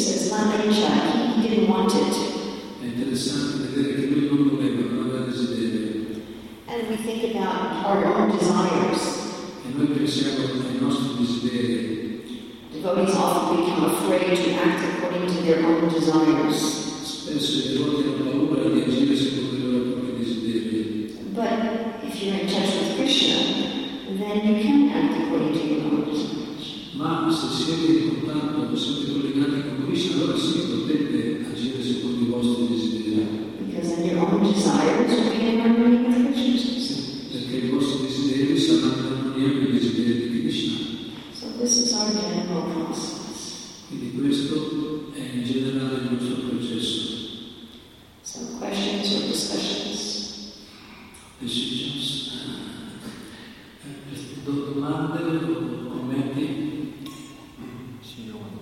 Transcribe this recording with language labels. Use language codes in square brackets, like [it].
[en] Sankarsha, he didn't want it. [it] È interessante vedere che lui non voleva, non aveva desiderio. [en] And we think about our own desires. [it] E noi pensiamo ai nostri desideri. [en] Devotees often become afraid to act according to their own desires. [it] Spesso i devoti hanno paura di agire secondo i loro propri desideri. [en] But if you're in touch with Krishna, then you can act according to your own desires. [it] Ma se siete in contatto, se siete collegati con Krishna, allora sì, potete agire secondo i vostri desideri. [en] Because then your own desires will be in harmony with Krishna. [it] Perché i vostri desideri saranno in harmony con i desideri di Krishna. [en] So this is our general process. [it] Quindi questo è in generale il nostro processo. [en] Some questions or discussions? Decisions? [it] Domande o commenti? Sì, no.